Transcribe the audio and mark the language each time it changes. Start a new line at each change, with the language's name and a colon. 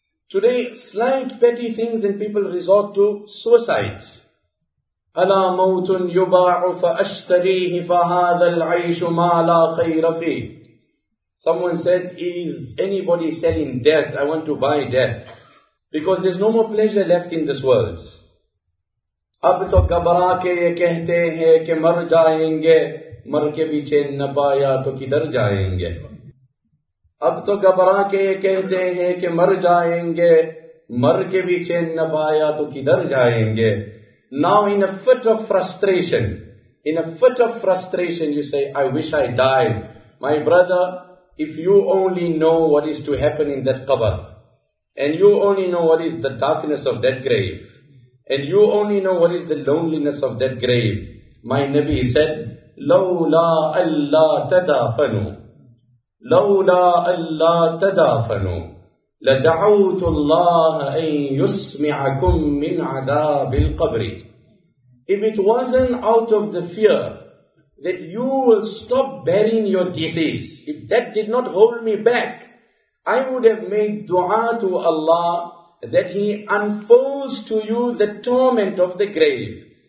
English: Today, slight petty things and people resort to suicide.
Arabic: أَلَا مَوْتٌ يُبَاعُ فَأَشْتَرِيهِ فَهَذَا الْعَيْشُ مَا لَا خَيْرَ فِيهِ.
English: Someone said, is anybody selling death? I want to buy death. Because there's no more pleasure left in this world.
Urdu: اب تو گھبرا کے یہ کہتے ہیں کہ مر جائیں گے مر کے پیچھے نہ پایا تو کدھر جائیں گے. اب تو گھبرا کے یہ کہتے ہیں کہ مر جائیں گے مر کے پیچھے نہ پایا تو کدھر جائیں گے.
English: Now in a fit of frustration you say, I wish I died. My brother, if you only know what is to happen in that qabr, and you only know what is the darkness of that grave, and you only know what is the loneliness of that grave. My Nabi said,
Arabic: لَوْلَا أَلَّا تَدَافَنُوا لَوْلَا أَلَّا تَدَافَنُوا لَدَعَوْتُ اللَّهَ أَن يُسْمِعَكُم مِّنْ عَذَابِ الْقَبْرِ.
English: If it wasn't out of the fear that you will stop bearing your disease, if that did not hold me back, I would have made dua to Allah that he unfolds to you the torment of the grave.